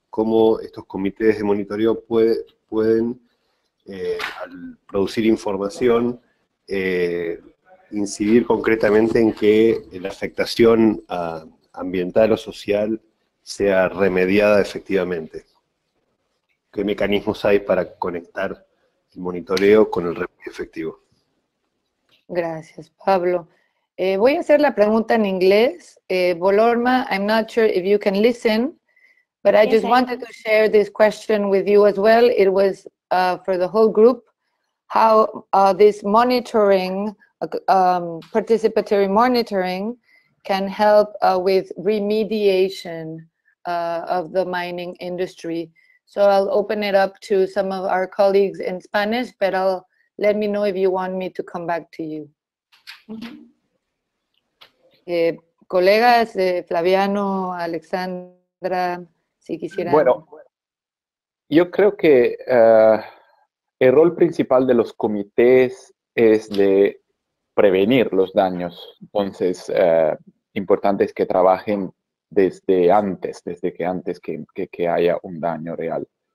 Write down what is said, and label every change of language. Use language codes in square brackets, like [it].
[es] ¿Cómo estos comités de monitoreo pueden al producir información, incidir concretamente en que la afectación ambiental o social sea remediada efectivamente? ¿Qué mecanismos hay para conectar el monitoreo con el remedio efectivo? Gracias, Pablo. Voy a hacer la pregunta en inglés. [en] Bolorma, I'm not sure if you can listen, but I just wanted to share this question with you as well. It was for the whole group. How this monitoring, participatory monitoring, can help with remediation of the mining industry. So I'll open it up to some of our colleagues in Spanish, but I'll let me know if you want me to come back to you. Mm-hmm. [es] colegas, Flaviano, Alexandra, si quisieran. Bueno, yo creo que el rol principal de los comités es de prevenir los daños. Entonces, importante es que trabajen desde antes, desde que antes que haya un daño real.